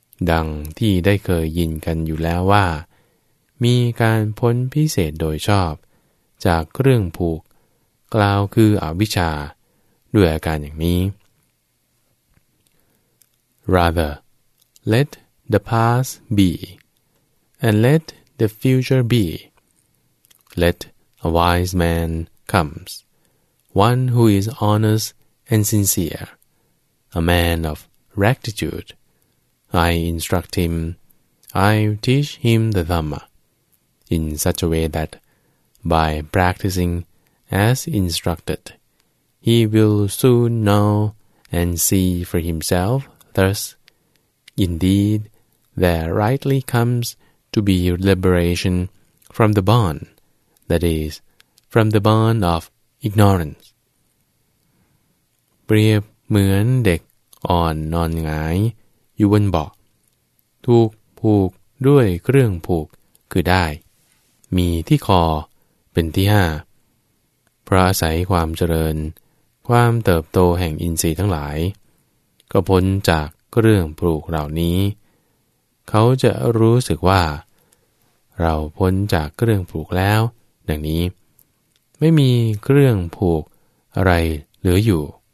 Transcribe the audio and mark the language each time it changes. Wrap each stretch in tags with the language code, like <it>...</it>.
<th>ดังที่ได้เคยยินกันอยู่แล้วว่ามีการพ้นพิเศษโดยชอบจากเรื่องผูกกล่าวคืออวิชชาด้วยอาการอย่างนี้</th> <en>Rather, let the past be, and let the future be. Let a wise man comes, one who is honest and sincere, a man of rectitude. I instruct him, I teach him the Dhamma, in such a way that, by practicing as instructed, he will soon know and see for himself, thus, indeed, there rightly comes to be liberation from the bond, that is, from the bond of ignorance.</en> <th>เปรียบเหมือนเด็กอ่อนนอนหงายอยู่บนเบาะถูกผูกด้วยเครื่องผูกคือได้มีที่คอเป็นที่ห้า เพราะอาศัยความเจริญความเติบโตแห่งอินทรีย์ทั้งหลายก็พ้นจากเรื่องผูกเหล่านี้เขาจะรู้สึกว่าเราพ้นจากเรื่องผูกแล้วดังนี้ไม่มีเครื่องผูกอะไรเหลืออยู่</th>